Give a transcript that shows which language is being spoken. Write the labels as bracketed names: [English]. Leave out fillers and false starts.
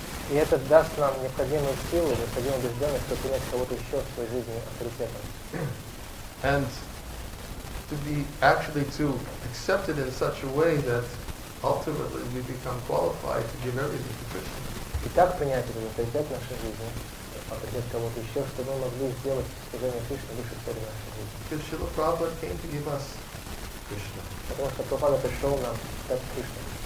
[Russian] И это даст нам необходимую силу, необходимую убежденность, чтобы принять кого-то еще в своей жизни авторитетом. [English] And to be actually to accept it in such a way that ultimately we become qualified to give everything to Krishna. [Russian] И так принять этот авторитет в нашей жизни, авторитет кого-то еще, чтобы мы могли сделать служение Кришне выше цели нашей жизни. [English] Because Srila Prabhupada came to give us Krishna. [Russian] Потому что Прабхупада пришел нам дать Кришну.